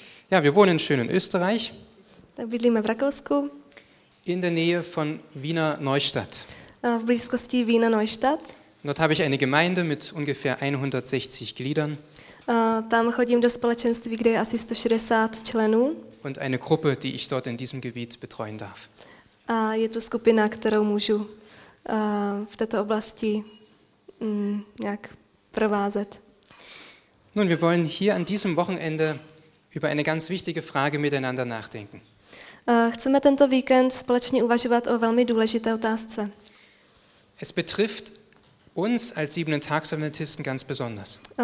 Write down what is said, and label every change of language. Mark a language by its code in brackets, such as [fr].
[de] Ja, wir wohnen schön in Österreich. [cs] Da bydlíme v Rakousku. [de] In der Nähe von Wiener Neustadt. [cs] V blízkosti Wiener Neustadt. [de] Dort habe ich eine Gemeinde mit ungefähr 160 Gliedern. [cs] Tam chodím do společenství, kde je asi 160 členů. [de] Und eine Gruppe, die ich dort in diesem Gebiet betreuen darf. [cs] A je to skupina, kterou můžu v této oblasti nějak provázet. [de] Nun, wir wollen hier an diesem Wochenende über eine ganz wichtige Frage miteinander nachdenken. [cs] Chceme tento víkend společně uvažovat o velmi důležité otázce. [de] Es betrifft uns als Siebenten-Tags-Adventisten ganz besonders.